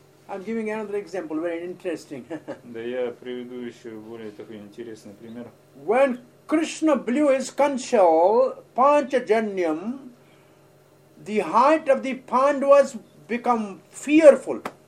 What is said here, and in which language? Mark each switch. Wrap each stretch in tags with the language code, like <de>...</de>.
<en>I'm giving another example, very interesting.</en> <ru>Да, я приведу еще более такой интересный пример.</ru> <en>When Krishna blew his conch shell, Panchajanyam, the heart of the Pandavas become fearful.</en>